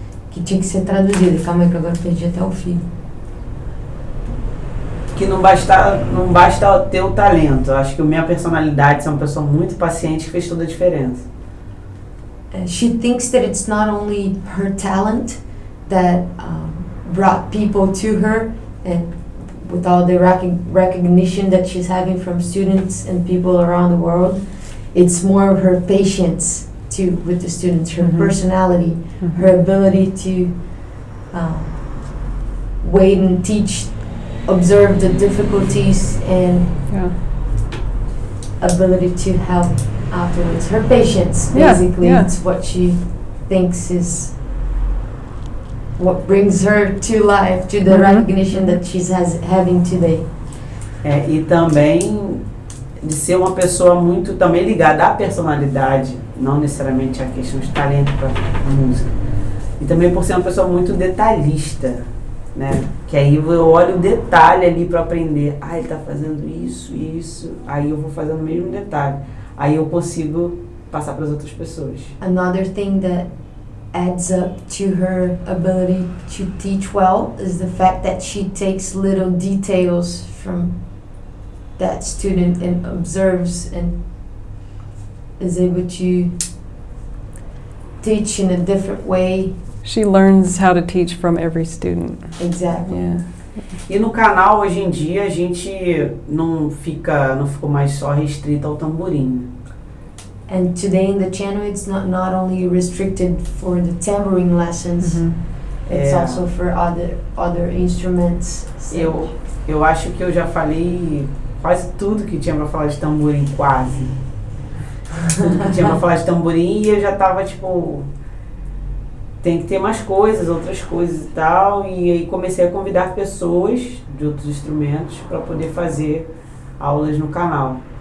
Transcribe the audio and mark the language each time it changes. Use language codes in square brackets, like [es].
[pt] Que tinha que ser traduzida. Calma aí, que agora perdi até o fio. Que não basta ter o talento. Eu acho que a minha personalidade, ser uma pessoa muito paciente, fez toda a diferença. [en] She thinks that it's not only her talent that brought people to her, and with all the recognition that she's having from students and people around the world, it's more of her patience too with the students, her mm-hmm. personality, mm-hmm. her ability to wait and teach, observe the difficulties, and yeah. ability to help afterwards. Her patience, basically, yeah. it's what she thinks is what brings her to life, to the mm-hmm. recognition that she's having today. [pt] É, e também de ser uma pessoa muito também ligada à personalidade, não necessariamente à questão de talento para música. E também por ser uma pessoa muito detalhista, né? Que aí eu olho o detalhe ali para aprender. Ah, ele tá fazendo isso, isso. Aí eu vou fazendo o mesmo detalhe. Aí eu consigo passar para as outras pessoas. [en] Another thing that adds up to her ability to teach well is the fact that she takes little details from that student and observes and is able to teach in a different way. She learns how to teach from every student. Exactly. Yeah. [pt] E no canal hoje em dia a gente não ficou mais só restrito ao tamborim. [en] And today in the channel it's not only restricted for the tambourine lessons, mm-hmm. it's also for other instruments. [pt] Eu acho que eu já falei quase tudo que tinha pra falar de tamborim, quase. Tudo que tinha pra falar de tamborim e eu já tava tipo, tem que ter mais coisas, outras coisas e tal. E aí comecei a convidar pessoas de outros instrumentos pra poder fazer aulas no canal.